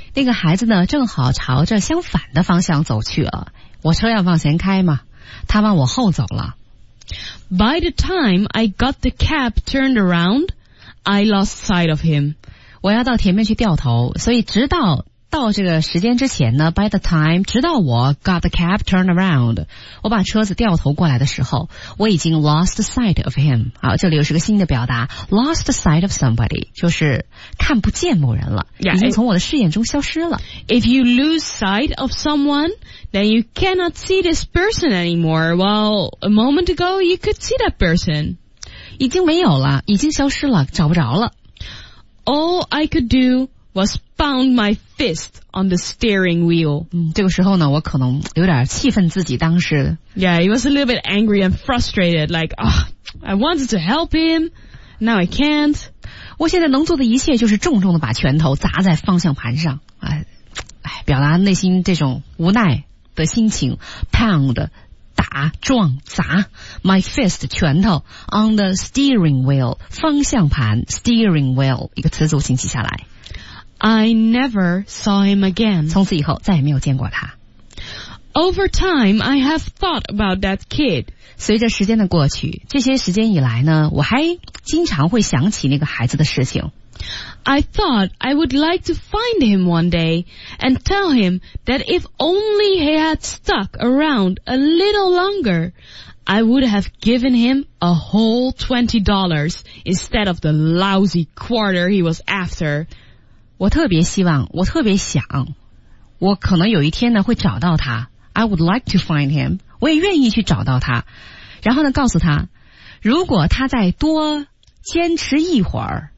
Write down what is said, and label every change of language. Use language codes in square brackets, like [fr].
[zh] 那个孩子呢正好朝着相反的方向走去了。我车要往前开嘛，他往我后走了。 [en] By the time I got the cab turned around, I lost sight of him. [zh] 我要到前面去掉头，所以直到到这个时间之前呢 [en] by the time, [zh] 直到我 [en] got the cab turned around, [zh] 我把车子掉头过来的时候，我已经 [en] lost sight of him. [zh] 好，这里又是个新的表达 , [en] lost sight of somebody, [zh] 就是看不见某人了 [en] yeah, [zh] 已经从我的视野中消失了。 [en] If you lose sight of someone, then you cannot see this person anymore. Well, a moment ago, you could see that person. [zh] 已经没有了，已经消失了，找不着了。 [en] All I could do,was pound my fist on the steering wheel. [zh] 这个时候呢我可能有点气愤自己当时。 [en] Yeah, he was a little bit angry and frustrated, like, oh, I wanted to help him, Now I can't. [zh] 我现在能做的一切就是重重的把拳头砸在方向盘上。表达内心这种无奈的心情。 [en] Pound, [zh] 打撞砸。 [en] My fist, [zh] 拳头。 [en] On the steering wheel, [zh] 方向盘。 [en] Steering wheel, [zh] 一个词组形起下来。 [en] I never saw him again. [zh] 从此以后再也没有见过他。 [en] Over time, I have thought about that kid. [zh] 随着时间的过去，这些时间以来呢，我还经常会想起那个孩子的事情。 [en] I thought I would like to find him one day and tell him that if only he had stuck around a little longer, I would have given him a whole $20 instead of the lousy quarter he was after. [zh] 我特别希望，我特别想，我可能有一天呢会找到他。 [en] I would like to find him. [zh] 我也愿意去找到他。然后呢告诉他，如果他再多坚持一会儿、